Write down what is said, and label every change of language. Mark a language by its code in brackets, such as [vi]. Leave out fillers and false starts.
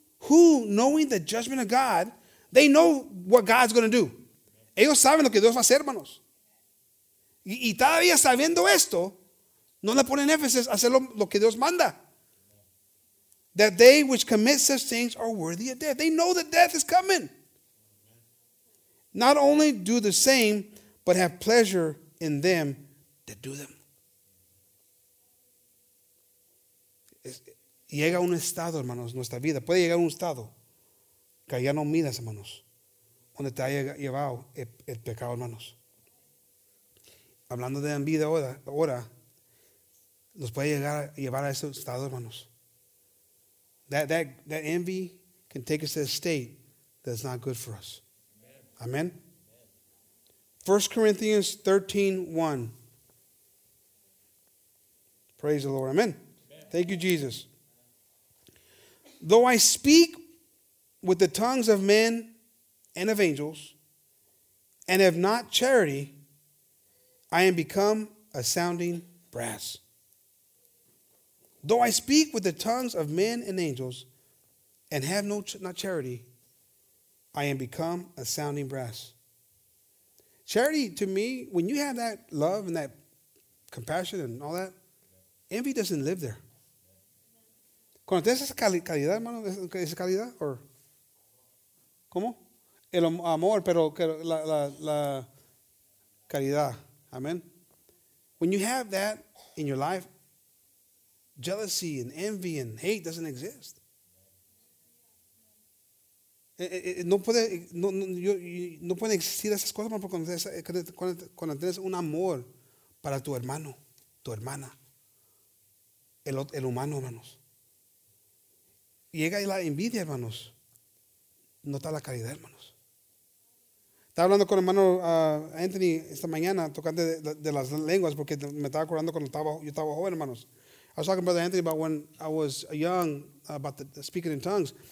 [en] Knowing the judgment of God, they know what God's going to do. [es] Ellos saben lo que Dios va a hacer, hermanos. Y todavía sabiendo esto, no le ponen énfasis a hacer lo que Dios manda. [en] That they which commit such things are worthy of death. They know that death is coming. Not only do the same, but have pleasure in them that do them. [es] Llega un estado, hermanos, nuestra vida. Puede llegar un estado que ya no miras, hermanos, donde te haya llevado el pecado, hermanos. Hablando de la vida ahora, nos puede llegar a llevar a ese estado, hermanos. [en] That envy can take us to a state that's not good for us. Amen. 1 Corinthians 13:1. Praise the Lord. Amen. Thank you, Jesus. Though I speak with the tongues of men and of angels, and have not charity, I am become a sounding brass. Though I speak with the tongues of men and angels, and have not charity, I am become a sounding brass. Charity, to me, when you have that love and that compassion and all that, envy doesn't live there. [es] Cuando tienes esa calidad, hermano, esa calidad, or ¿cómo? El amor, pero la caridad. Amen. [en] When you have that in your life, jealousy and envy and hate doesn't exist. [es] No puede existir esas cosas, hermano, cuando tienes un amor para tu hermano, tu hermana, el humano, hermanos. Llega la envidia, hermanos. No está la caridad, hermanos. Estaba hablando con el hermano Anthony esta mañana, tocando de las lenguas, porque me estaba acordando cuando yo estaba joven, hermanos. [en] I was talking to Brother Anthony about when I was young, about the speaking in tongues.